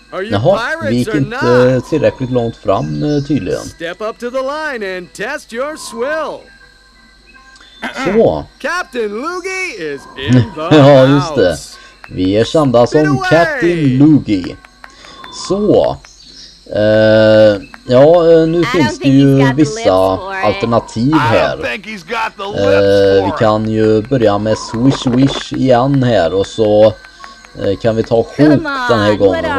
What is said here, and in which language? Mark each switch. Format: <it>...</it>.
<sv>Jaha, vi gick inte tillräckligt långt fram tydligen.</sv> <en>Step up to the line and test your swill. Så. Captain Loogie is in the house.</en> <sv>Ja, just det. Vi är kända som Captain Loogie. Så. Ja, nu finns det ju vissa alternativ här. Vi kan ju börja med Swish Swish igen här. Och så kan vi ta Hook den här gången.</sv>